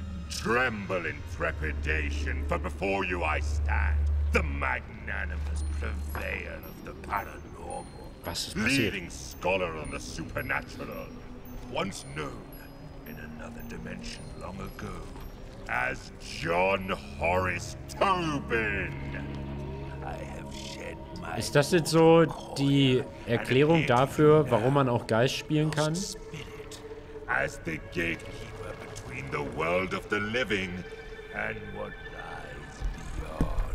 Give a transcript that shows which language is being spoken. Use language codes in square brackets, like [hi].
[en] Tremble in trepidation, for before you I stand, the magnanimous purveyor of the paranormal. [de] Was ist passiert? [en] Leading scholar on the supernatural, once known in another dimension long ago, as John Horace Tobin. I have shed my [de] Ist das jetzt so die Erklärung dafür, warum man auch Geist spielen kann? [en] Spirit, as the gatekeeper between the world of the living and what lies beyond.